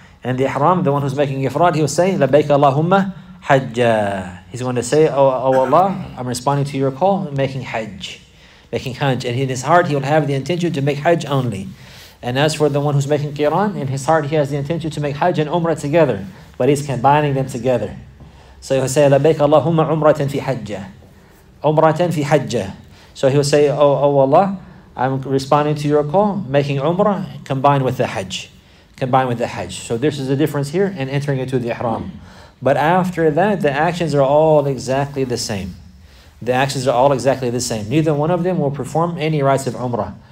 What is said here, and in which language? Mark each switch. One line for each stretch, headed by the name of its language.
English: In the ihram, the one who's making ifrad, he will say,
Arabic: لبيك اللهم حجا.
English: He's going to say, oh Allah, I'm responding to your call, I'm making hajj. making Hajj. And in his heart, he will have the intention to make Hajj only. And as for the one who's making Qiran, in his heart, he has the intention to make Hajj and Umrah together. But he's combining them together. So he'll say,
Arabic: لبيك اللهم عمرة في حجة. عمرة في حجة.
English: So he'll say, oh Allah, I'm responding to your call, making Umrah combined with the Hajj. Combined with the Hajj. So this is the difference here in entering into the Ihram. But after that, the actions are all exactly the same. The actions are all exactly the same. Neither one of them will perform any rites of Umrah.